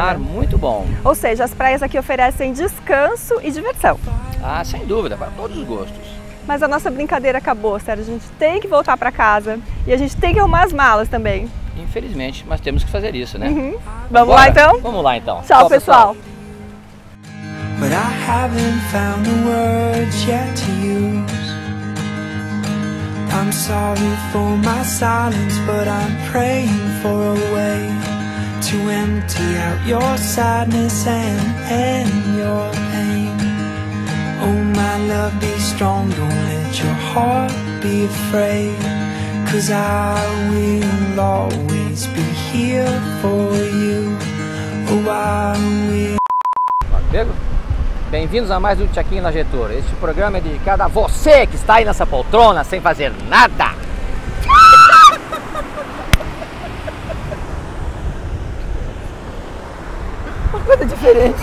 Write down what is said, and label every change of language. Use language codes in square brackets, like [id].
[pt] Mar, muito bom. Ou seja, as praias aqui oferecem descanso e diversão. Ah, sem dúvida, para todos os gostos. Mas a nossa brincadeira acabou, Sérgio. A gente tem que voltar para casa e a gente tem que arrumar as malas também. Infelizmente, mas temos que fazer isso, né? Uhum. Vamos lá então? Vamos lá então. Tchau, pessoal. [en] But I haven't found the words yet to use. I'm sorry for my silence, but I'm praying for a way to empty out your sadness and your pain. Oh, my love, be strong, don't let your heart be afraid. 'Cause I will always be here for you. Oh, I will. [pt] Bem-vindos a mais um Tchequinho na Getúlio. Este programa é dedicado a você que está aí nessa poltrona sem fazer nada. Uma coisa diferente.